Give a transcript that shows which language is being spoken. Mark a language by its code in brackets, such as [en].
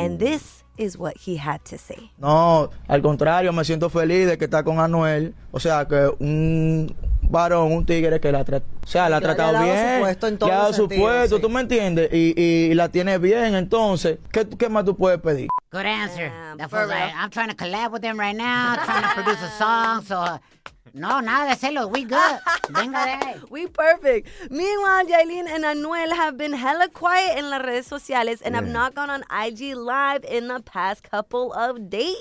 [en] And this is what he had to say. [es] No, al contrario, me siento feliz de que está con Anuel. O sea, que un varón, un tigre que la ha tratado bien. Le ha dado su puesto en todo sentido. Le ha dado su puesto, sí. ¿Tú me entiendes? Y la tiene bien, entonces, ¿qué más tú puedes pedir? [en] Good answer. Yeah, for real. I'm trying to collab with him right now, trying to produce a song, so... [es] No, nada de celos. [en] We good. [es] Venga de ahí. [en] We perfect. Meanwhile, Yailin and Anuel have been hella quiet in [es] las redes sociales [en] and have not gone on IG Live in the past couple of days.